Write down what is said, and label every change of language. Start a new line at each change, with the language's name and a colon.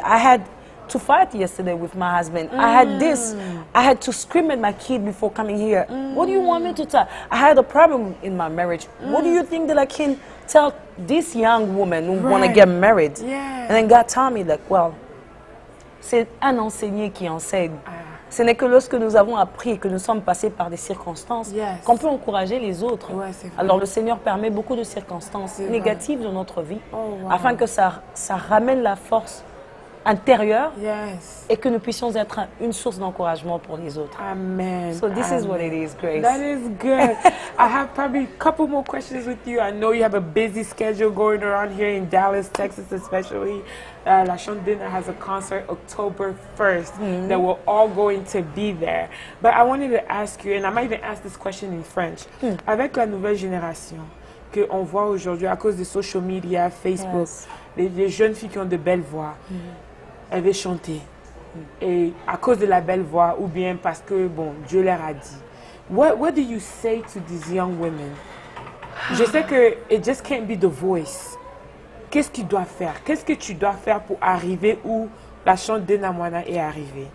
English: I had to fight yesterday with my husband. Mm. I had this. I had to scream at my kid before coming here. Mm. What do you want me to tell? I had a problem in my marriage. Mm. What do you think that I can tell this young woman who, right, want to get married? Yeah. And then God told me, like, well,
French: c'est un enseignant qui enseigne. Ce n'est que lorsque nous avons appris, que nous sommes passés par des circonstances,
English: yes,
French: qu'on peut encourager les autres. Ouais, alors le Seigneur permet beaucoup de circonstances, c'est négatives, vrai, dans notre vie,
English: oh, wow,
French: afin que ça ramène la force intérieure,
English: yes,
French: et que nous puissions être une source d'encouragement pour les autres. Amen.
English: So this, amen, is what it is, Grace. That is good. I have probably a couple more questions with you. I know you have a busy schedule going around here in Dallas, Texas, especially. La Chante Dena has a concert October 1st, mm-hmm, that we're all going to be there. But I wanted to ask you, and I might even ask this question in French. Mm.
French: Avec la nouvelle génération que on voit aujourd'hui à cause des social media, Facebook,
English: yes,
French: les jeunes filles qui ont de belles voix, mm-hmm, elles veulent chanter. Mm-hmm. Et à cause de la belle voix ou bien parce que, bon, Dieu leur a dit.
English: What do you say to these young women?
French: Je sais que
English: it just can't be the voice.
French: Qu'est-ce qu'il doit faire? Qu'est-ce que tu dois faire pour arriver où la Chante Dena Moana est arrivée?